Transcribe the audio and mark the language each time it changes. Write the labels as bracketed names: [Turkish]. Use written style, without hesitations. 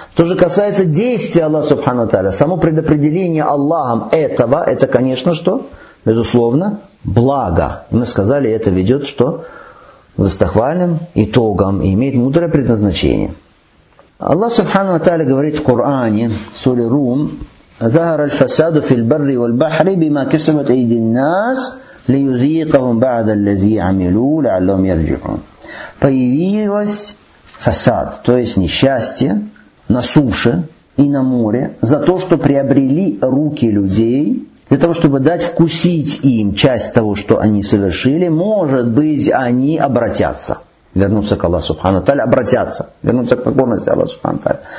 [Russian] То же касается действия Аллаха Субхана ва Тааля, само предопределение Аллахом этого, это, конечно, что? Безусловно, благо. Мы сказали, это ведет что? Достохвальным итогом и имеет мудрое предназначение. Аллах Субхана ва Тааля говорит в Коране, в суре Рум, [Arabic] ظهر الفساد في البر والبحر بما كسبت أيدي الناس ليذيقهم بعض الذي عملوا لعلهم يرجعون. [Russian] Появилось фасад, то есть несчастье на суше и на море за то, что приобрели руки людей, для того, чтобы дать вкусить им часть того, что они совершили, может быть, они обратятся, вернутся к Аллаху Субхану Таля, обратятся, вернутся к покорности Аллаху Субхану Таля.